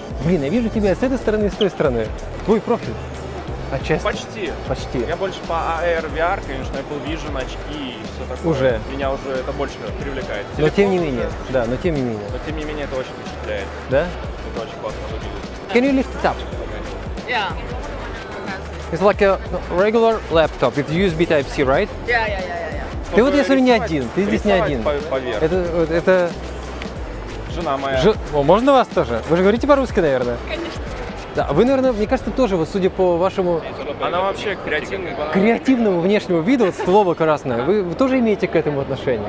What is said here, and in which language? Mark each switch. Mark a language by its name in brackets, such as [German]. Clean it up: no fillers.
[Russian] Блин, я вижу тебя с этой стороны и с той стороны. Твой профиль. Отчасти. Почти. Почти. Я больше по AR, VR, конечно, Apple Vision, очки и все такое. Уже. Меня уже это больше привлекает. Телефон, но тем не менее. Уже... Да, но тем не менее. Но тем не менее это очень впечатляет. Да? Это очень классно выглядит. [English] Can you lift it up? Yeah. It's like a regular laptop with USB Type-C, right? Yeah, yeah, yeah, yeah. [Russian] Ты вот если рисовать, не один, ты здесь не один. Поверх. Это... Жена моя. О, можно вас тоже? Вы же говорите по-русски, наверное? Конечно. Да, вы, наверное, мне кажется, тоже, вот, судя по вашему... Она вообще креативный. Креативному внешнему виду, вот слово красное. Вы тоже имеете к этому отношение?